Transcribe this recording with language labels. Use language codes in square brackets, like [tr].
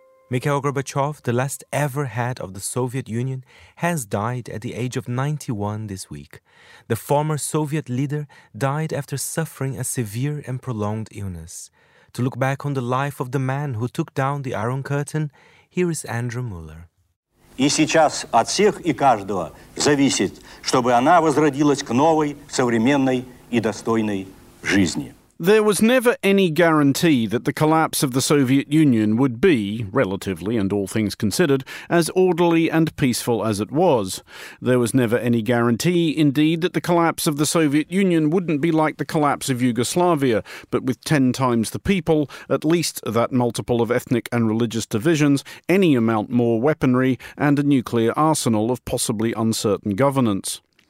[en] Mikhail Gorbachev, the last ever head of the Soviet Union, has died at the age of 91 this week. The former Soviet leader died after suffering a severe and prolonged illness. To look back on the life of the man who took down the Iron Curtain, here is Andrew Muller. [ru] И сейчас от всех и каждого зависит, чтобы она возродилась к новой, современной и достойной жизни. [en] There was never any guarantee that the collapse of the Soviet Union would be, relatively and all things considered, as orderly and peaceful as it was. There was never any guarantee, indeed, that the collapse of the Soviet Union wouldn't be like the collapse of Yugoslavia, but with 10 times the people, at least that multiple of ethnic and religious divisions, any amount more weaponry, and a nuclear arsenal of possibly uncertain governance.